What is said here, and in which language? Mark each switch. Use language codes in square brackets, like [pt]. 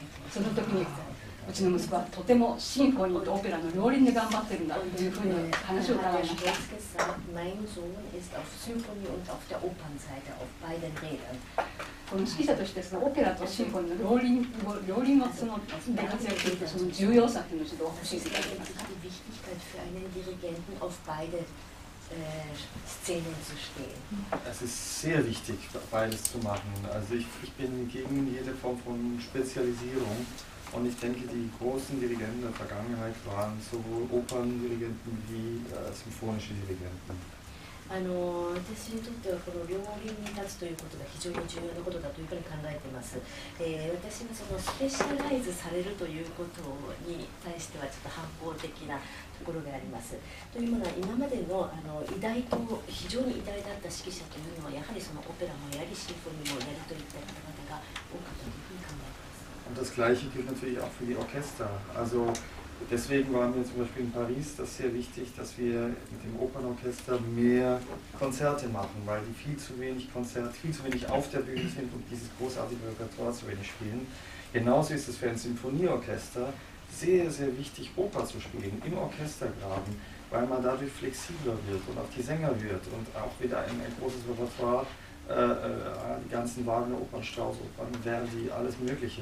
[ja] その時にうちの息子はとてもシンフォニーとオペラの両輪で頑張ってるんだというふうに話を伺いました。 [de] Mein Sohn ist auf Symphonie und auf der Opernseite, auf beiden Rädern. [ja] この指揮者としてそのオペラとシンフォニーの両輪をその活躍するというその重要さというのをちょっとお教えいただけますか。 [de] Die Wichtigkeit für einen Dirigenten auf beide Szenen zu stehen. Es ist sehr wichtig, beides zu machen. Also ich bin gegen jede Form von Spezialisierung. Und ich denke, die großen Dirigenten der Vergangenheit waren sowohl Operndirigenten wie symphonische Dirigenten. [ja] 私にとってはこの両輪に立つということが非常に重要なことだというふうに考えています。私はそのスペシャライズされるということに対してはちょっと反抗的なところがあります。というものは今まで の, 偉大と非常に偉大だった指揮者というのはやはりそのオペラもやりシンフォニーもやるといった方々が多かったというふうに考えています。 [de] Und das Gleiche gilt natürlich auch für die Orchester. Also deswegen waren wir zum Beispiel in Paris, das ist sehr wichtig, dass wir mit dem Opernorchester mehr Konzerte machen, weil die viel zu wenig auf der Bühne sind und dieses großartige Repertoire zu wenig spielen. Genauso ist es für ein Sinfonieorchester sehr, sehr wichtig, Oper zu spielen, im Orchestergraben, weil man dadurch flexibler wird und auch die Sänger wird und auch wieder ein großes Repertoire die ganzen Wagner, Opern, Strauss, Opern, Verdi, alles Mögliche.